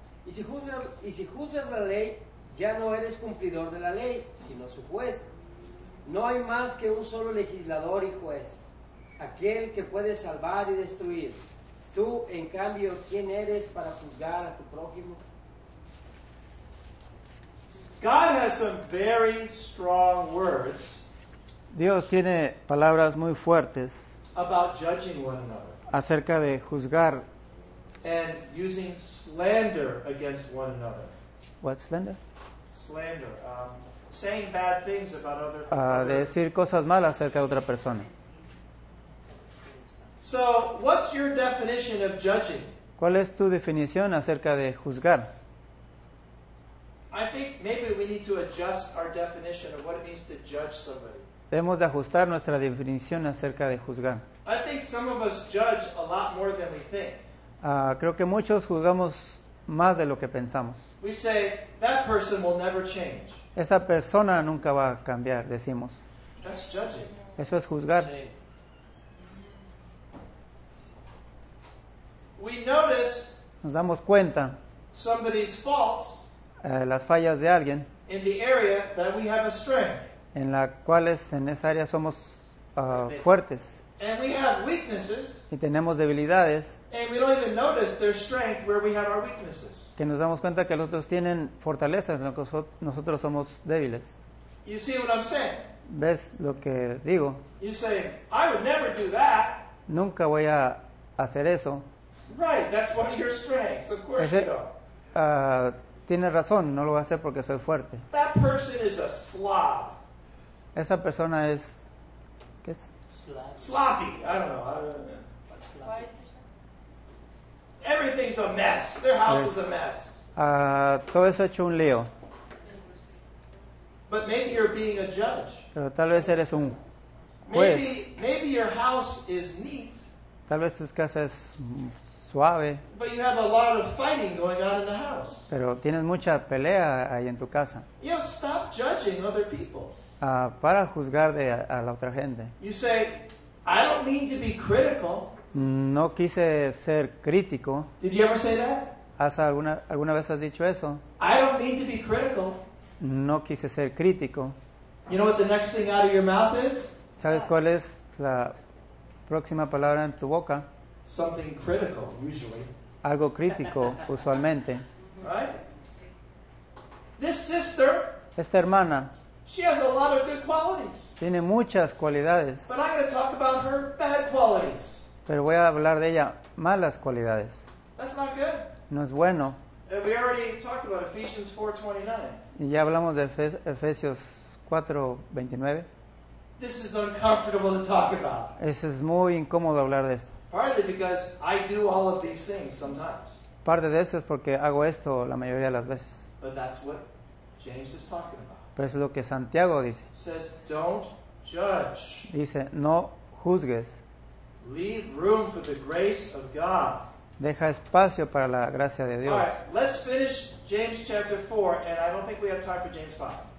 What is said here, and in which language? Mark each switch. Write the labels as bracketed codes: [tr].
[es] Y si juzgas la ley, ya no eres cumplidor de la ley, sino su juez. No hay más que un solo legislador y juez, aquel que puede salvar y destruir. Tú, en cambio, ¿quién eres para juzgar a tu prójimo? [en] God has some very strong words. [es] Dios tiene palabras muy fuertes [en] about judging one another. [es] Acerca de juzgar. [en] And using slander against one another. What slander? Slander. Saying bad things about other people. [es] De decir cosas malas acerca de otra persona. [en] So, what's your definition of judging? [es] ¿Cuál es tu definición acerca de juzgar? [en] I think maybe we need to adjust our definition of what it means to judge somebody. [es] Debemos de ajustar nuestra definición acerca de juzgar. [en] I think some of us judge a lot more than we think. [es] Creo que muchos juzgamos más de lo que pensamos. [en] We say, that person will never change. [es] Esa persona nunca va a cambiar, decimos. [en] That's judging. [es] Eso es juzgar. [en] We notice [es] nos damos cuenta [en] somebody's faults. [es] Las fallas de alguien [en] in the area that we have a strength. [es] En la cual en esa área somos fuertes. [en] And we have weaknesses. [es] Y tenemos debilidades. [en] And we don't even notice their strength where we have our weaknesses. [es] Que nos damos cuenta que los otros tienen fortalezas, nosotros somos débiles. [en] You see what I'm saying? [es] ¿Ves lo que digo? [en] You say, I would never do that. [es] Nunca voy a hacer eso. [en] Right, that's one of your strengths. Of course you don't. [es] Tienes razón, no lo voy a hacer porque soy fuerte. [en] That person is a slob. [es] Esa persona es... ¿Qué es? [en] Sloppy. I don't know. Sloppy. Everything's a mess. Their house is a mess. [es] Todo es hecho un lío. [en] But maybe you're being a judge. [es] Pero tal vez eres un juez. [en] Maybe your house is neat. [es] Tal vez tu casa es... suave. [en] But you have a lot of fighting going on in the house. [es] Pero tienes mucha pelea ahí en tu casa. [en] You know, stop judging other people. [es] Para juzgar a la otra gente. [en] You say, I don't mean to be critical. [es] No quise ser crítico. [en] Did you ever say that? [es] ¿Alguna vez has dicho eso? [en] I don't mean to be critical. [es] No quise ser crítico. [en] You know what the next thing out of your mouth is? [es] ¿Sabes cuál es la próxima palabra en tu boca? [en] something critical, usually. [es] Algo crítico, usualmente. [en] Right? This sister, [es] esta hermana, [en] she has a lot of good qualities. [es] Tiene muchas cualidades. [en] But I'm going to talk about her bad qualities. [es] Pero voy a hablar de ella malas cualidades. [en] That's not good. [es] No es bueno. [en] And we already talked about Ephesians 4:29. [es] Y ya hablamos de Efesios 4:29. [en] This is uncomfortable to talk about. [es] Eso es muy incómodo hablar de esto. [en] Partly because I do all of these things sometimes. [es] Parte de eso es porque hago esto la mayoría de las veces. [en] But that's what James is talking about. [es] Pero es lo que Santiago dice. [en] Says, don't judge. [es] Dice, no juzgues. [en] Leave room for the grace of God. [es] Deja espacio para la gracia de Dios. [en] All right, let's finish James chapter 4, and I don't think we have time for James 5.